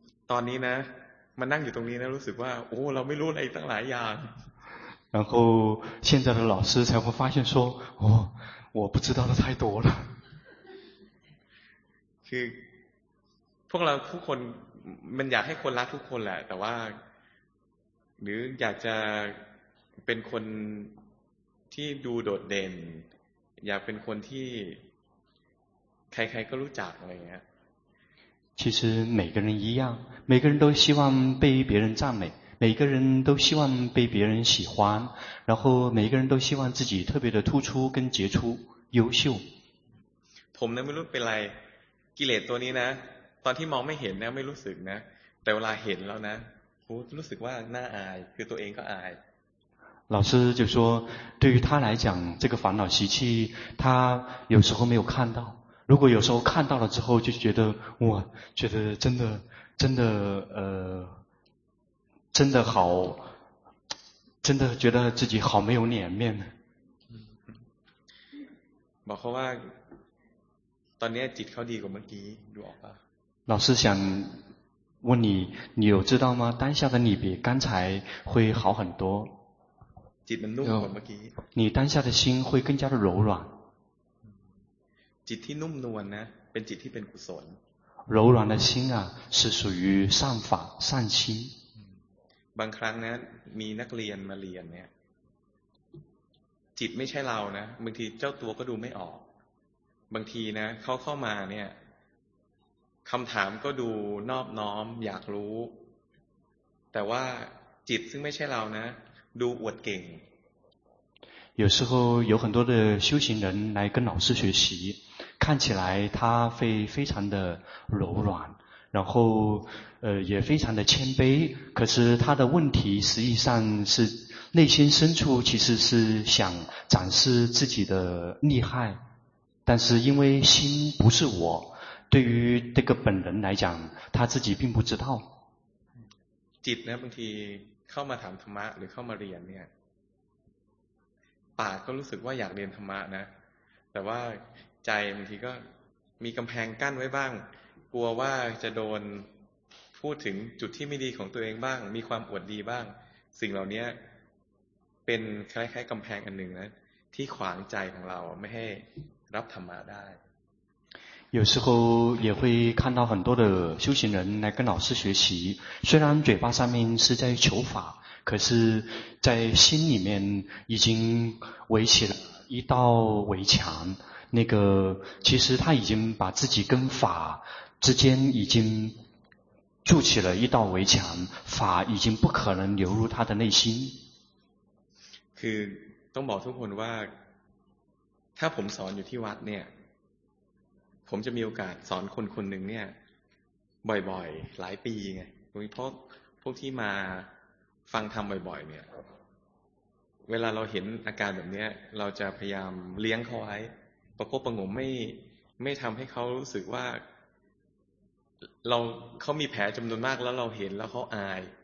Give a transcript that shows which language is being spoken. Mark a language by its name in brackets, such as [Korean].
[Thai] ตอนนี้นะมานั่งอยู่ตรงนี้นะรู้สึกว่าโอ้เราไม่รู้อะไรตั้งหลายอย่าง [Chinese] 然后现在的老师才会发现说哦我不知道的太多了 [Thai] คือพวกเราทุกคนมันอยากให้คนรักทุกคนแหละแต่ว่าหรืออยากจะเป็นคนที่ดูโดดเด่นอยากเป็นคนที่ใครๆก็รู้จักอะไรอย่างเงี้ย [Chinese] 其实每个人一样每个人都希望被别人赞美每个人都希望被别人喜欢然后每个人都希望自己特别的突出跟杰出优秀 [Thai] ผมนะไม่รู้เป็นไรกิเลสตัวนี้นะตอนที่มองไม่เห็นนะไม่รู้สึกนะแต่เวลาเห็นแล้วนะโหรู้สึกว่าน่าอายคือตัวเองก็อาย [Chinese] 老师就说对于他来讲这个烦恼习气他有时候没有看到如果有时候看到了之后就觉得哇觉得真的好真的觉得自己好没有脸面 [Thai] บอกเขาว่าตอนนี้จิตเขาดีกว่าเมื่อกี้ดูออกป่ะ [Chinese] 老师想问你你有知道吗当下的你比刚才会好很多 [Thai] จิตมันนุ่มกว่าเมื่อกี้ [Chinese] 你当下的心会更加的柔软 [Thai] จิตที่นุ่มนวล นะเป็นจิตที่เป็นกุศล [Chinese] 柔软的心啊是属于善法善心 [Thai] บางครั้งนะมีนักเรียนมาเรียนเนี่ยจิตไม่ใช่เรานะบางทีเจ้าตัวก็ดูไม่ออกบางทีนะเขาเข้ามาเนี่ยคำถามก็ดูนอบน้อมอยากรู้แต่ว่าจิตซึ่งไม่ใช่เรานะดูอวดเก่ง [Chinese] 有时候有很多的修行人来跟老师学习看起来他会非常的柔软然后也非常的谦卑可是他的问题实际上是内心深处其实是想展示自己的厉害但是因为心不是我对于这个本人来讲他自己并不知道 [Thai] จิตนะบางทีเข้ามาถามธรรมะหรือเข้ามาเรียนเนี่ยปากก็รู้สึกว่าอยากเรียนธรรมะนะแต่ว่าใจบางทีก็มีกำแพงกั้นไว้บ้างกลัวว่าจะโดนพูดถึงจุดที่ไม่ดีของตัวเองบ้างมีความอวดดีบ้าง สิ่งเหล่านี้เป็นคล้ายๆกำแพงอันหนึ่งนะที่ขวางใจของเราไม่ให้รับธรรมะได้ [Chinese] 有时候也会看到很多的修行人来跟老师学习虽然嘴巴上面是在求法可是在心里面已经围起了一道围墙那个其实他已经把自己跟法之间已经筑起了一道围墙法已经不可能流入他的内心 [Thai] คือต้องบอกทุกคนว่าถ้าผมสอนอยู่ที่วัดเนี่ยผมจะมีโอกาสสอนคนคนหนึ่งเนี่ยบ่อยๆหลายปีไงพวกที่มาฟังธรรมบ่อยๆเนี่ยเวลาเราเห็นอาการแบบเนี้ยเราจะพยายามเลี้ยงเขาไว้ประคบประหงมไม่ทำให้เขารู้สึกว่าเขามีแผลจำนวนมากแล้วเราเห็นแล้วเขาอาย